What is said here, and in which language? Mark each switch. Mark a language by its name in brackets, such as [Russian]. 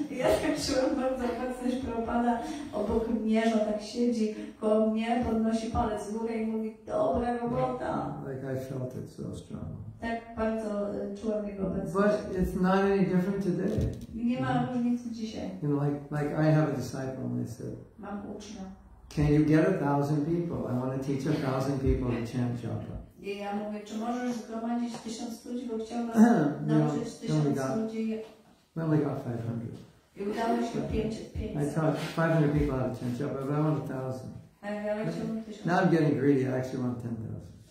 [Polish] Ja tak czułem bardzo obecność Prabhupada obok mnie, że tak siedzi koło mnie, podnosi palec w górę i mówi, dobra robota. [English] Like I felt it so strongly. [Polish] Tak bardzo czułem jego obecność. [English] But it's not any different today. [Polish] Nie ma różnicy dzisiaj. [English] You know, like I have a disciple and they said, [Polish] mam ucznia. [English] Can you get 1,000 people? I want to teach 1,000 people to chant japa. [Polish] I ja mówię, czy możesz zgromadzić 1,000 ludzi, bo chciałbym nauczyć 1,000 ludzi. [English] We only got 500. [Polish] I udało się 500. [English] I taught 500 people how to chant japa, but I want 1,000. Now I'm getting greedy, I actually want 10,000.